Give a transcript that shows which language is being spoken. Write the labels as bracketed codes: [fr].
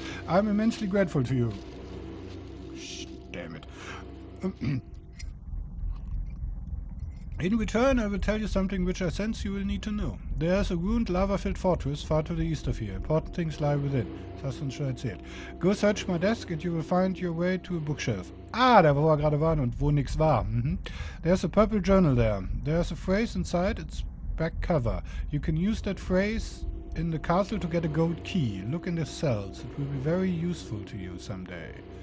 [en] I'm immensely grateful to you. Damn it. In return, I will tell you something which I sense you will need to know. There is a ruined lava-filled fortress far to the east of here. Important things lie within. [de] Das hast du schon erzählt. [en] Go search my desk and you will find your way to a bookshelf. [de] Ah, da wo wir gerade waren und wo nichts war. [en] Mhm. There's a purple journal there. There's a phrase inside its back cover. You can use that phrase in the castle to get a gold key. Look in the cells. It will be very useful to you someday.